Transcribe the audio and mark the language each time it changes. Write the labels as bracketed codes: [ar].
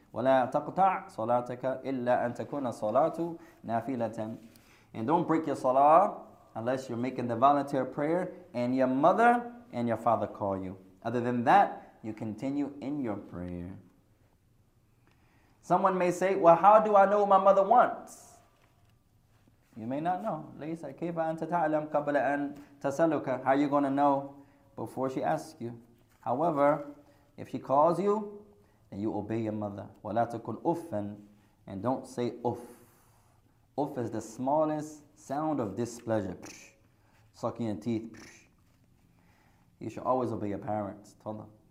[ar] ولا تقطع صلاتك إلا أن تكون صلاة نافلة. [en] And don't break your salah unless you're making the voluntary prayer and your mother and your father call you. Other than that, you continue in your prayer. Someone may say, well, how do I know what my mother wants? You may not know. [ar] ليس كيف أنت تعلم قبل أن تسألك. [en] How are you going to know before she asks you? However, if she calls you, and you obey your mother. [ar] وَلَا تَكُنْ أُفًا. [en] And don't say أُف. أُف is the smallest sound of displeasure. Psh, sucking your teeth. Psh. You should always obey your parents. Tell them.